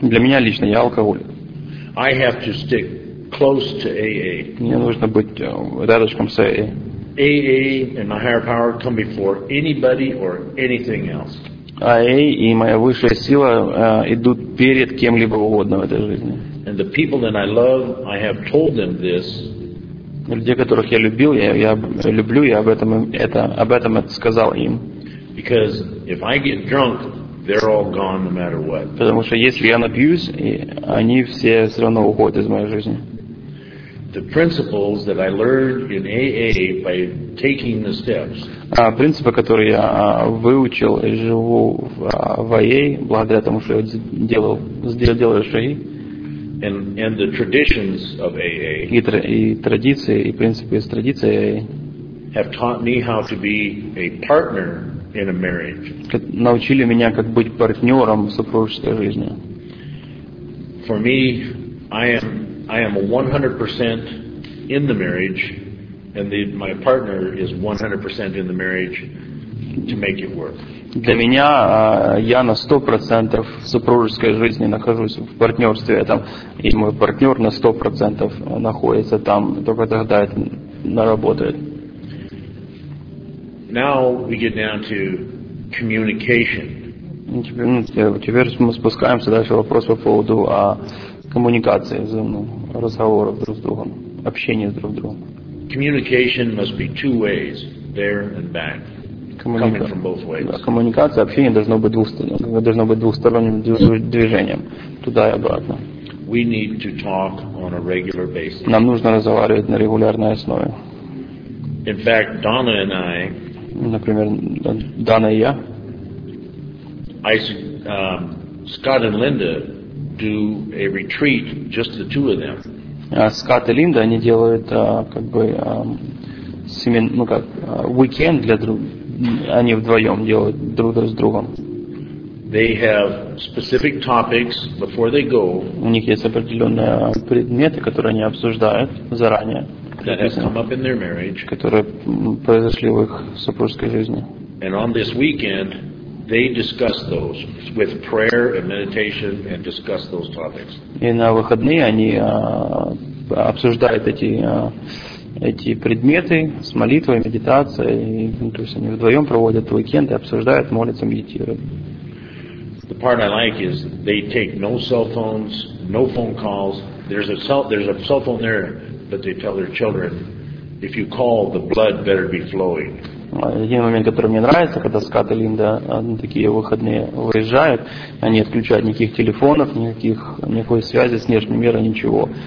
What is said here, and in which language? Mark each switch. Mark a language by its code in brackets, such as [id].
[ru] Для меня лично, я алкоголик. [en] I have to stick close to AA. [ru] Мне нужно быть рядышком с AA. [en] AA and my higher power come before anybody or anything else. [ru] AA и моя высшая сила идут перед кем-либо угодно в этой жизни. [en] And the people that I love, I have told them this. [ru] Людей, которых я любил, я люблю, я об этом это сказал им. [en] Because if I get drunk, they're all gone no matter what. [ru] Потому что если я напьюсь, они все равно уходят из моей жизни. [en] The principles that I learned in AA by taking the steps. [ru] Принципы, которые я выучил и живу в AA, благодаря тому, что я делаю шаги. [en] And the traditions of AA. [ru] И традиции, и принципы из традиции AA. [en] Have taught me how to be a partner in a marriage. [ru] Научили меня, как быть партнером в супружеской жизни. [en] For me, I am 100% in the marriage, and my partner is 100% in the marriage to make it work. [ru] Для меня я на 100% в супружеской жизни нахожусь в партнерстве этом, и мой партнер на 100% находится там, только тогда это наработает. [en] Now we get down to communication. [ru] Теперь мы спускаемся дальше, вопрос по поводу коммуникации, разговоров друг с другом, общения друг с другом. [en] Communication must be two ways, there and back. [ru] Коммуникация, общение должно быть двухсторонним, движением, туда и обратно. [en] We need to talk on a regular basis. [ru] Нам нужно разговаривать на регулярной основе. [en] In fact, Donna and I, [ru] например, Дана и я, [en] Scott and Linda do a retreat, just the two of them. [ru] Скотт и Линда, они делают уикенд для друг, они вдвоем делают друг с другом. [en] They have specific topics before they go. [ru] У них есть определенные предметы, которые они обсуждают заранее. [en] That has come up in their marriage. [ru] Которые произошли в их супружеской жизни. [en] And on this weekend, they discuss those with prayer and meditation and discuss those topics. [ru] И на выходные они обсуждают эти предметы с молитвой, медитацией. То есть они вдвоем проводят уикенд и обсуждают, молятся, медитируют. [en] The part I like is they take no cell phones, no phone calls. There's a cell phone there, but they tell their children, if you call, the blood better be flowing. [ru] Один момент, который мне нравится, когда Скотт и Линда на такие выходные выезжают, они отключают никаких телефонов, никакой связи с внешним миром, ничего.